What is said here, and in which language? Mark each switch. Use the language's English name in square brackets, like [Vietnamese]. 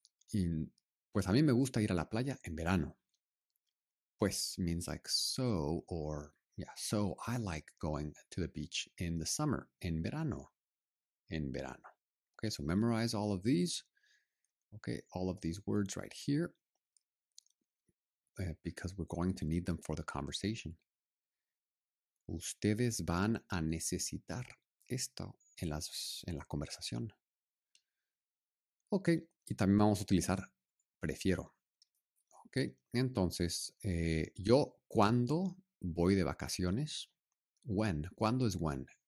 [Spanish] Pues a mí me gusta ir a la playa en verano. [English] Pues means like so or yeah, so I like going to the beach in the summer. [Spanish] En verano. En verano. [English] Okay, so memorize all of these. Okay, all of these words right here. Because we're going to need them for the conversation. [Spanish] Ustedes van a necesitar esto en la conversación. Ok, y también vamos a utilizar prefiero. Ok, entonces, yo cuando voy de vacaciones, when, ¿cuándo es when?